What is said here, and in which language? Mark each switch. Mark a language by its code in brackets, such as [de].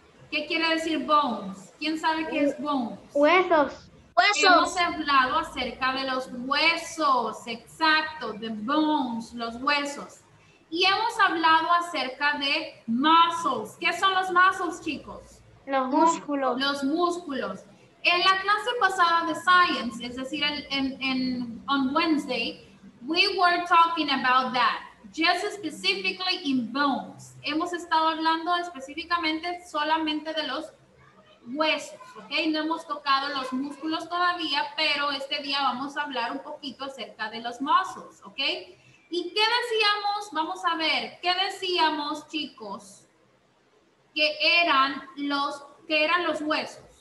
[es] ¿Qué quiere decir bones? ¿Quién sabe qué es bones? Huesos. Hemos hablado acerca de los huesos, exacto, [en] the bones, [es] los huesos. Y hemos hablado acerca de muscles. ¿Qué son los muscles, chicos? Los músculos. Los músculos. En la clase pasada de Science, es decir, [en] on Wednesday, we were talking about that, just specifically in bones. [es] Hemos estado hablando específicamente solamente de los huesos, ¿ok? No hemos tocado los músculos todavía, pero este día vamos a hablar un poquito acerca de los muscles, ¿ok? ¿Y qué decíamos? Vamos a ver, ¿qué decíamos, chicos, que eran los huesos?